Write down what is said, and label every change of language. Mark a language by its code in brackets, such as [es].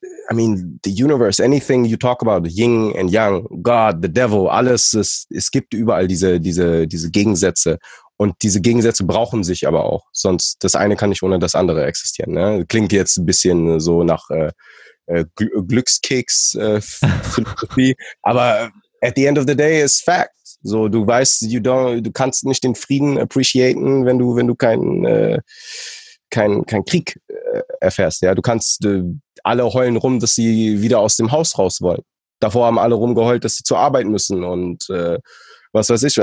[en] I mean, the universe, anything you talk about, yin and yang, God, the devil, alles, es gibt überall diese Gegensätze. [de] Und diese Gegensätze brauchen sich aber auch. Sonst, das eine kann nicht ohne das andere existieren. Ne? Klingt jetzt ein bisschen so nach Glückskeks-Philosophie. [en] Aber at the end of the day is fact. [de] So, du weißt, du kannst nicht den Frieden appreciaten, wenn du keinen Krieg erfährst. Ja, du kannst, alle heulen rum, dass sie wieder aus dem Haus raus wollen. Davor haben alle rumgeheult, dass sie zur Arbeit müssen und was weiß ich.